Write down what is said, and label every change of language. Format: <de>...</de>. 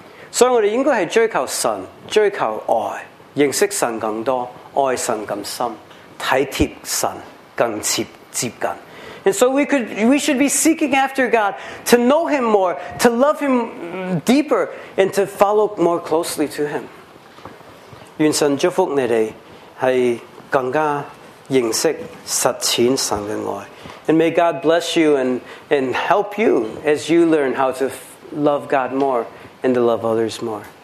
<yue>所以我哋应该系追求神，追求爱，认识神更多，爱神更深，体贴神更接近。</yue> <en>And so we should be seeking after God to know Him more, to love Him deeper, and to follow more closely to Him.</en> <yue>愿神祝福你哋，系更加认识实践神嘅爱。</yue> <en>And may God bless you and help you as you learn how to love God more and to love others more.</en>